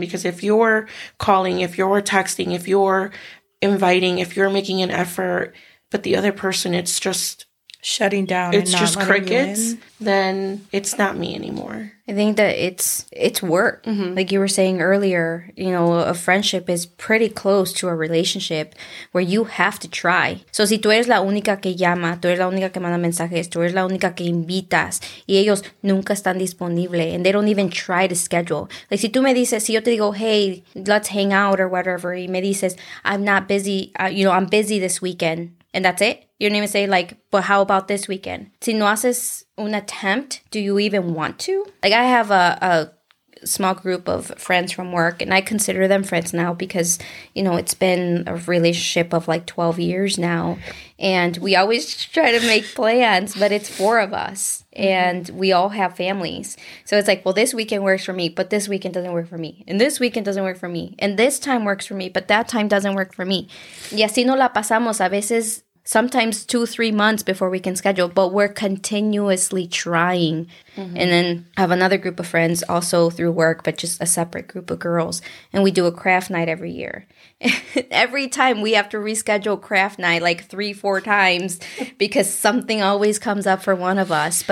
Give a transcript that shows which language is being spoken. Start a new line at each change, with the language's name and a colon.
English: Because if you're calling, if you're texting, if you're inviting, if you're making an effort, but the other person, it's just shutting down, it's just crickets, then it's not me anymore. I think that it's work. Mm-hmm. Like you were saying earlier, you know, a friendship is pretty close to a relationship where you have to try.
Spanish: So si tú eres la única que llama, tú eres la única que manda mensajes, tú eres la única que invitas, y ellos nunca están disponibles,
English: and they don't even try to schedule. Like
Spanish: si tú me dices, si yo te digo,
English: hey, let's hang out or whatever,
Spanish: y me dices,
English: I'm not busy, you know, I'm busy this weekend, and that's it. You don't even say, like, but how about this weekend?
Spanish: Si no haces un
English: attempt, do you even want to? Like, I have a small group of friends from work, and I consider them friends now because, you know, it's been a relationship of, like, 12 years now. And we always try to make plans, but it's four of us, and we all have families. So it's like, well, this weekend works for me, but this weekend doesn't work for me. And this weekend doesn't work for me. And this time works for me, but that time doesn't work for me.
Spanish: Y así no la pasamos a veces.
English: Sometimes 2-3 months before we can schedule, but we're continuously trying. Mm-hmm. And then I have another group of friends also through work, but just a separate group of girls. And we do a craft night every year. Every time we have to reschedule craft night like 3-4 times because something always comes up for one of us.